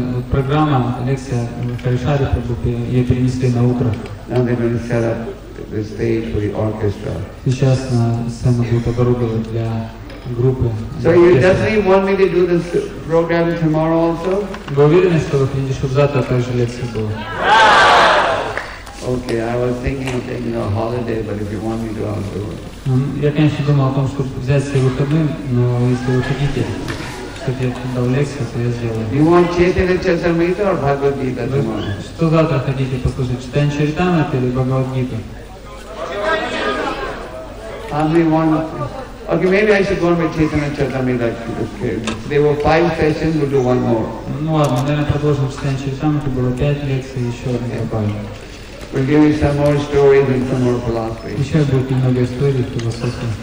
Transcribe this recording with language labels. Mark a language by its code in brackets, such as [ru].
[ru] Программа, лекция Хари Шари Прабху, ее перенесли на утро. [en] Now they're going to set up the stage for the orchestra. [ru] Сейчас на сцену будут оборудовать для... [en] So you definitely want me to do this program tomorrow also? [ru] Вы уверены, что вы хотите, чтобы завтра также лекция была? [en] Okay, I was thinking of taking a holiday, but if you want me to, I'll do it. [ru] Я, конечно, думал о том, чтобы взять все выходные, но если вы хотите, чтобы я дал лекцию, то я сделаю. [en] You want Chaitanya Charitamrita or Bhagavad Gita tomorrow? [ru] Что завтра хотите послушать, Chaitanya Charitamrita или Bhagavad Gita? [en] Okay, maybe I should go on with Chaitanya Charitamrita. There were 5 sessions, we'll do one more. [ru] Ну ладно, наверное, продолжим Chaitanya Charitamrita, было 5 лекций, еще один добавим. [en] We'll give you some more stories and some more philosophy. [ru] Еще будет немного историй, философии.